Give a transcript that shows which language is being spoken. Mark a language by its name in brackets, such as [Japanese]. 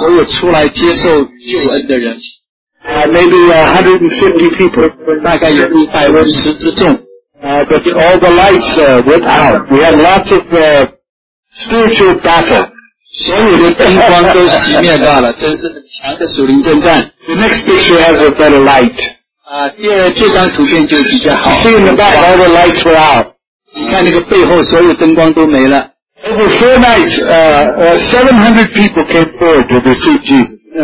[Chinese] 这是第一天晚上，所有出来接受救恩的人。 [English] Maybe 150 people. [Chinese] 大概有150之众. [English] But all the lights went out. We had lots of spiritual battle. [Chinese] 所有的灯光都熄灭掉了，真是很强的属灵征战. [English] The next picture has a better light. [Chinese] 第二这张图片就比较好. [English] See in the back, all the lights were out. [Chinese] 你看那个背后，所有灯光都没了. [English] Over four nights, 700 people came forward to receive Jesus.